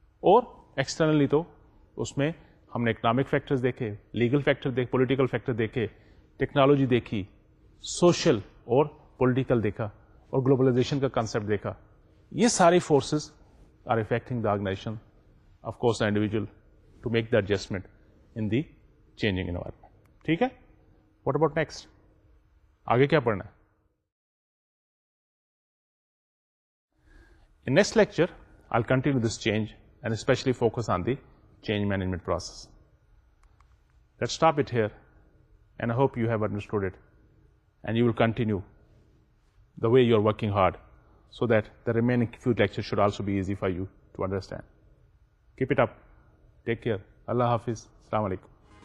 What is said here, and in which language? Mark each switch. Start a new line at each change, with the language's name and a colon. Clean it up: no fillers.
Urdu: اور ایکسٹرنلی تو اس میں ہم نے اکنامک فیکٹرز دیکھے, لیگل فیکٹر دیکھے, پولیٹیکل فیکٹر دیکھے, ٹیکنالوجی دیکھی, سوشل اور پولیٹیکل دیکھا, اور گلوبلائزیشن کا کنسیپٹ دیکھا. یہ ساری
English: Forces are affecting the organization, of course the individual, to make the adjustment in the changing environment.
Urdu: ٹھیک ہے,
English: what about next,
Urdu: آگے کیا پڑھنا ہے؟
English: Next lecture I continue this change and especially focus on the change management process. Let's stop it here, and I hope you have understood it. and you will continue the way you are working hard so that the remaining few lectures should also be easy for you to understand. Keep it up. Take care. Allah Hafiz. Assalamu alaikum.